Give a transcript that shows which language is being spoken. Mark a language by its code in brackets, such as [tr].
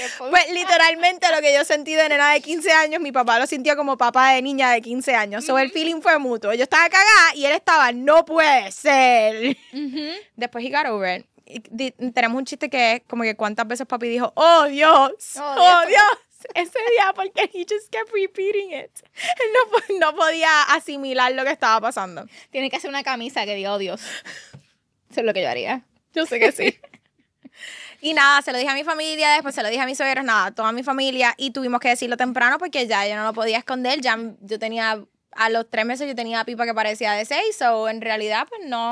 [es] Pues literalmente lo que yo sentí de nena de 15 años, mi papá lo sintió como papá de niña de 15 años. Uh-huh. So el feeling fue mutuo. Yo estaba cagada y él estaba, no puede ser. [en] Uh-huh. [es] Después [en] he got over it. [es] Tenemos un chiste que es como que cuántas veces papi dijo, oh Dios, oh Dios. Oh, Dios. Ese día porque [en] he just kept repeating it. [es] Él no podía asimilar lo que estaba pasando. Tiene que hacer una camisa que diga, oh Dios. Eso es lo que yo haría. Yo sé que sí. Y nada, se lo dije a mi familia, después se lo dije a mis suegros, nada, toda mi familia. Y tuvimos que decirlo temprano porque ya yo no lo podía esconder. Ya yo tenía, a los 3 meses yo tenía pipa que parecía de 6, so en realidad pues no.